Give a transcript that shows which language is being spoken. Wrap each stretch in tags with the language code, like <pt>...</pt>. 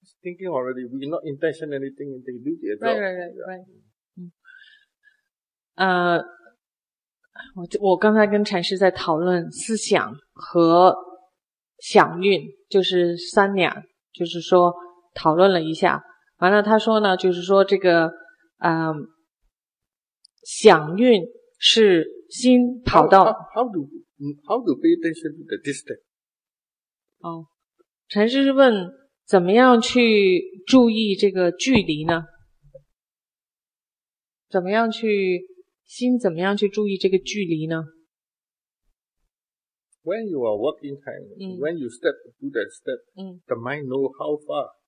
<en>Thinking already, we not intention anything in the duty at all. Right.</en> <zh>我刚才跟禅师在讨论思想和想运，就是三两，就是说讨论了一下。完了，他说呢，就是说这个想运是心跑到</zh> <en>how do pay attention to the distance?</en> <zh>哦，禅师问怎么样去注意这个距离呢？怎么样去心怎么样去注意这个距离呢？</zh> <en>When you are walking time, when you step to that step, the mind know how far.</en>